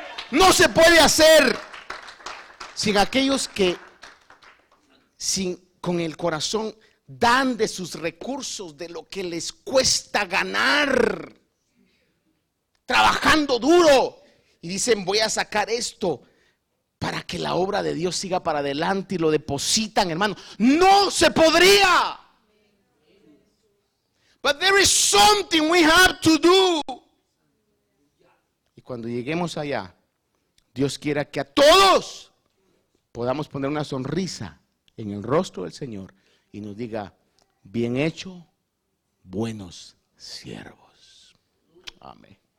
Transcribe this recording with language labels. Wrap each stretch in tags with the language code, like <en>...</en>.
<es>No se puede hacer sin aquellos que con el corazón dan de sus recursos, de lo que les cuesta ganar, trabajando duro, y dicen, voy a sacar esto para que la obra de Dios siga para adelante, y lo depositan, hermano. No se podría.</es> <en>But there is something we have to do.</en> <es>Y cuando lleguemos allá, Dios quiera que a todos podamos poner una sonrisa en el rostro del Señor y nos diga, bien hecho, buenos siervos. Amén.</es>